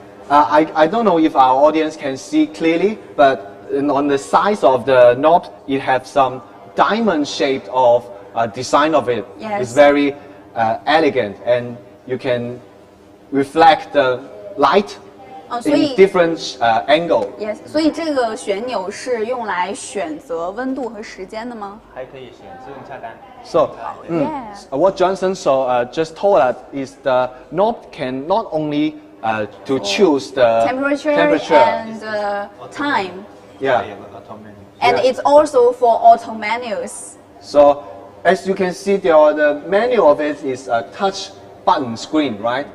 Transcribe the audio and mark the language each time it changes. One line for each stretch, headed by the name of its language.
English: I don't know if our audience can see clearly, but on the size of the knob, it has some diamond shaped of design of it. Yes. It's very elegant and you can reflect the light. Oh, in different angle.
Chinese: Yes, 所以这个旋钮是用来选择温度和时间的吗? 还可以选自动下单。
English: So, what Johnson just told us is the knob can not only to choose the temperature. And time. Yeah. And yeah. it's also for auto menus. So, as you can see, there are the menu of it is a touch button screen, right?